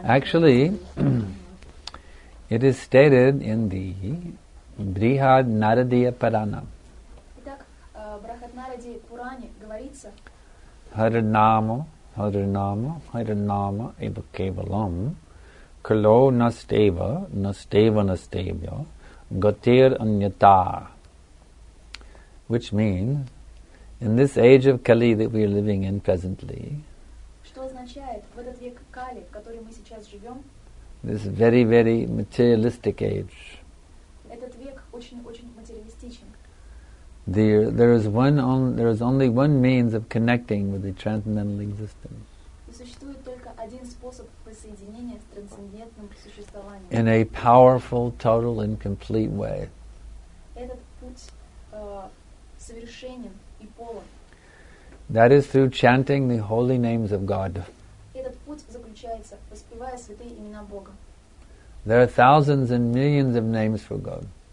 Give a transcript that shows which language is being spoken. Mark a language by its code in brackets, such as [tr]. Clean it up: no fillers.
[en] Actually, it is stated in the Brihad Naradiya Purana. [ru] Итак, Брихад Нарадия Пуране говорится: [sa] Харинама, Харинама, Харинама, Ива Кевалам, Кало Настева, Настева Настевья, Гатир Аньята. [en] Which means, in this age of Kali that we are living in presently, [ru] что означает в этот век Кали, в который мы сейчас живем? [en] This very, very materialistic age. [ru] Этот век очень-очень материалистичен. [en] There is only one means of connecting with the transcendental existence. [ru] И существует только один способ воссоединения с трансцендентным существованием. [en] In a powerful, total, and complete way. [ru] Этот путь совершенен и полон. [en] That is through chanting the holy names of God. There are thousands and millions of names for God.